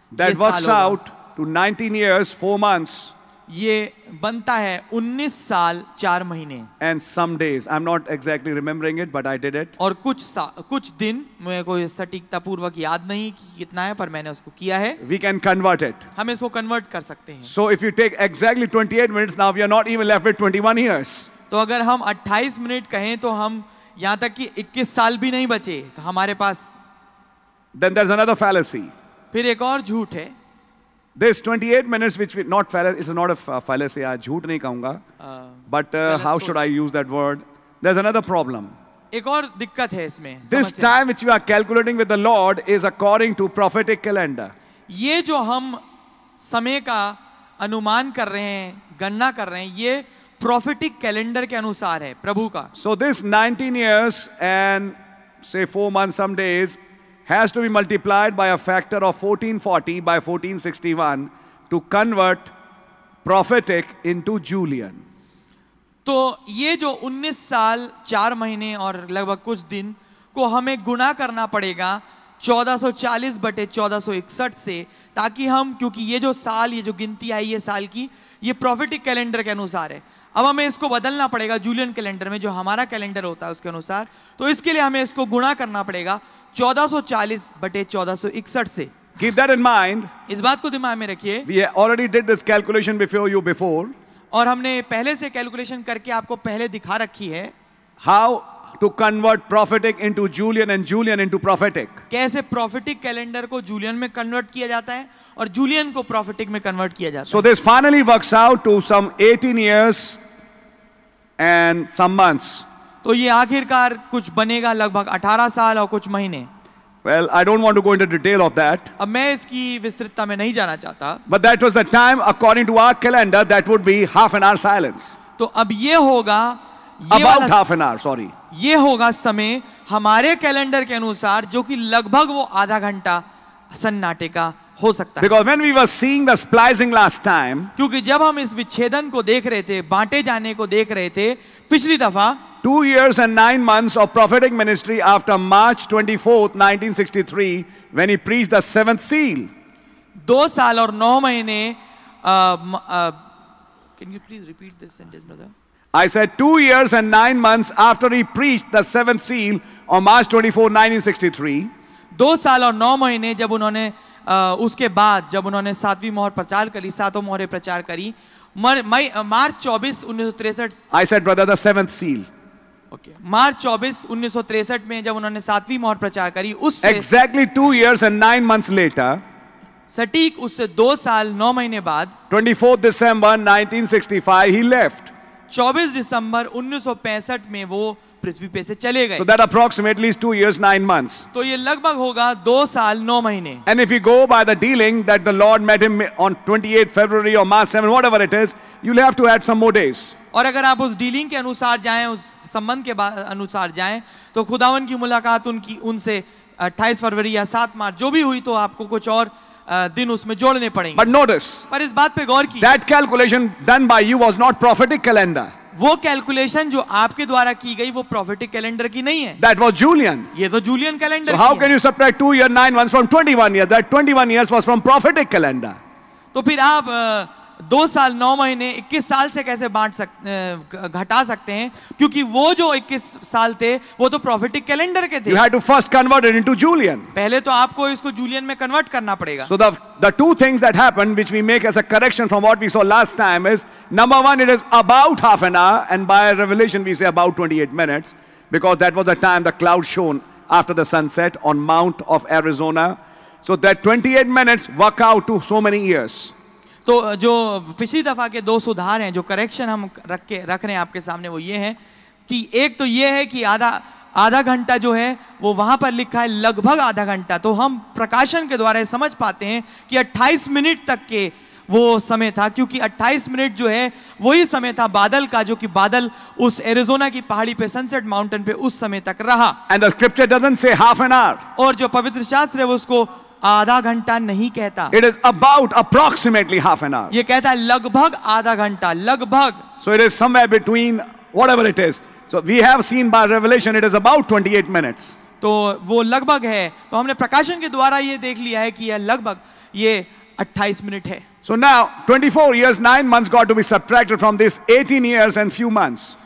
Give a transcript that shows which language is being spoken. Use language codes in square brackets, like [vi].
[en] That works out to 19 years, 4 months. [hi] ये बनता है 19 साल 4 महीने. [en] And some days, I'm not exactly remembering it, but I did it. [hi] और कुछ दिन मुझे कोई सटीकता पूर्वक याद नहीं कि कितना है पर मैंने उसको किया है. [en] We can convert it. [hi] हम इसको convert कर सकते हैं. [en] So if you take exactly 28 minutes, now we are not even left with 21 years. [hi] तो अगर हम 28 मिनट कहें तो हम यहाँ तक कि 21 साल भी नहीं बचे तो हमारे पास. [en] Then there's another fallacy. [hi] फिर एक और झूठ है. [en] This 28 minutes which is not fallacy, it's not a fallacy. [hi] आज झूठ नहीं कहूँगा. [en] But how should I use that word? There's another problem. [hi] एक और दिक्कत है इसमें. [en] This time which you are calculating with the Lord is according to prophetic calendar. [hi] ये जो हम समय का अनुमान कर रहे हैं, गणना कर रहे हैं, ये prophetic calendar के अनुसार है, प्रभु का. [en] So this 19 years and say 4 months, some days. Has to be multiplied by a factor of 1440 by 1461 to convert prophetic into Julian. [hi] तो ये जो 19 साल 4 महीने और लगभग कुछ दिन को हमें गुणा करना पड़ेगा 1440 बटे 1461 से ताकि हम क्योंकि ये जो साल ये जो गिनती आई है साल की ये prophetic calendar के अनुसार है. अब हमें इसको बदलना पड़ेगा जूलियन कैलेंडर में, जो हमारा कैलेंडर होता है उसके अनुसार। तो इसके लिए हमें इसको गुणा करना पड़ेगा 1440 बटे 1461 से। [en] Keep that in mind. [hi] इस बात को दिमाग में रखिए। [en] We already did this calculation before you before. [hi] और हमने पहले से कैलकुलेशन करके आपको पहले दिखा रखी है। [en] How to convert prophetic into Julian and Julian into prophetic? [hi] कैसे prophetic calendar को Julian में convert किया जाता है और Julian को prophetic में convert किया जाता है। [en] So this finally works out to some 18 years and some months. [hi] तो ये आखिरकार कुछ बनेगा लगभग 18 साल और कुछ महीने। [en] Well, I don't want to go into detail of that. [hi] अब मैं इसकी विस्तृतता में नहीं जाना चाहता। [en] But that was the time according to our calendar that would be half an hour silence. [hi] तो अब ये होगा [en] About half an hour, sorry. [hi] ये होगा समय हमारे कैलेंडर के अनुसार जो कि लगभग वो आधा घंटा सन्नाटे का हो सकता है। [en] Because when we were seeing the splicing last time, [hi] क्योंकि जब हम इस विच्छेदन को देख रहे थे, बांटे जाने को देख रहे थे पिछली दफा, [en] 2 years and 9 months of prophetic ministry after March 24th, 1963, when he preached the seventh seal. [hi] 2 साल और 9 महीने, [en] can you please repeat this sentence, brother? I said 2 years and 9 months after he preached the seventh seal on March 24, 1963. [hi] 2 साल और 9 महीने जब उन्होंने उसके बाद जब उन्होंने सातवीं मोहर प्रचार करी, सातों मोहरे प्रचार करी, मार्च 24, 1963. [en] I said, brother, the seventh seal. Okay. [hi] मार्च 24, 1963 में जब उन्होंने सातवीं मोहर प्रचार करी, उससे [en] exactly 2 years and 9 months later, [hi] सटीक उससे 2 साल 9 महीने बाद, [en] 24 December 1965 he left. [hi] 24 दिसंबर 1965 में वो पृथ्वी पे से चले गए। [en] So that approximately is 2 years 9 months. [hi] तो ये लगभग होगा 2 साल 9 महीने। [en] And if you go by the dealing that the Lord met him on 28 February or March 7, whatever it is, you'll have to add some more days. [hi] और अगर आप उस डीलिंग के अनुसार जाएं, उस संबंध के अनुसार जाएं, तो खुदावन की मुलाकात उनकी उनसे 28 फरवरी या 7 मार्च जो भी हुई, तो आपको कुछ और दिन उसमें जोड़ने पड़ेंगे। [en] But notice, [hi] पर इस बात पे गौर की, [en] that calculation done by you was not prophetic calendar. [hi] वो कैलकुलेशन जो आपके द्वारा की गई वो प्रोफेटिक कैलेंडर की नहीं है। [en] That was Julian. [hi] ये तो Julian calendar. [en] So how can you subtract 2 years 9 months from 21 years? That 21 years was from prophetic calendar. [hi] तो फिर आप 2 साल 9 महीने 21 साल से कैसे बांट सकते, घटा सकते हैं, क्योंकि वो जो 21 साल थे वो तो प्रोफेटिक कैलेंडर के थे। [en] You had to first convert it into Julian. [hi] पहले तो आपको इसको जूलियन में कन्वर्ट करना पड़ेगा। [en] So the two things that happened which we make as a correction from what we saw last time is, number one, it is about half an hour and by revelation we say about 28 minutes because that was the time the cloud shone after the sunset on Mount of Arizona. So that 28 minutes work out to so many years. [hi] तो जो पिछली दफा के 2 सुधार हैं, जो correction हम रख रहे हैं आपके सामने, वो ये हैं कि एक तो ये है कि आधा आधा घंटा जो है वो वहाँ पर लिखा है लगभग आधा घंटा, तो हम प्रकाशन के द्वारा समझ पाते हैं कि 28 मिनट तक के वो समय था, क्योंकि 28 मिनट जो है वही समय था बादल का, जो कि बादल उस एरिजोना की पहाड़ी पे, सनसेट माउंटेन पे उस समय तक रहा। [en] And the scripture doesn't say half an hour. [hi] और जो पवित्र शास्त्र है वो उसको आधा घंटा नहीं कहता। [en] It is about approximately half an hour. [hi] ये कहता है लगभग आधा घंटा, लगभग। [en] So it is somewhere between whatever it is. So we have seen by revelation it is about 28 minutes. [hi] तो वो लगभग है। तो हमने प्रकाशन के द्वारा ये देख लिया है कि यह लगभग ये 28 मिनट है। [en] So now 24 years 9 months got to be subtracted from this 18 years and few months.